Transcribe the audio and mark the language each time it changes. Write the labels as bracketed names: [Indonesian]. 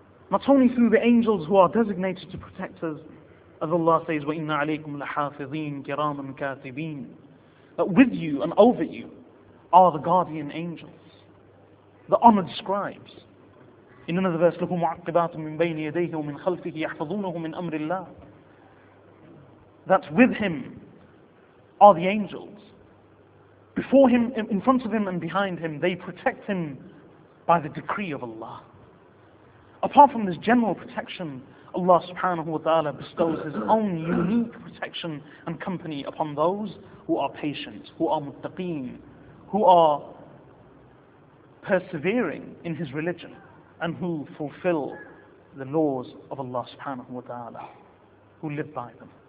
[English] Not only through the angels who are designated to protect us, as Allah says, [Arabic] وَإِنَّ عَلَيْكُمْ لَحَافِظِينَ كِرَامًا كَاتِبِينَ. [English] That with you and over you are the guardian angels, The honored scribes. In another verse, [Arabic] لَهُ مُعَقِّبَاتٌ مِّن بَيْنِ يَدَيْهِ وَمِنْ خَلْفِهِ يَحْفَظُونَهُ مِنْ أَمْرِ اللَّهِ. [English] That with him are the angels. Before him, in front of him and behind him, they protect him by the decree of Allah. Apart from this general protection, Allah subhanahu wa ta'ala bestows his own unique protection and company upon those who are patient, who are muttaqeen, who are persevering in his religion, and who fulfill the laws of Allah subhanahu wa ta'ala, who live by them.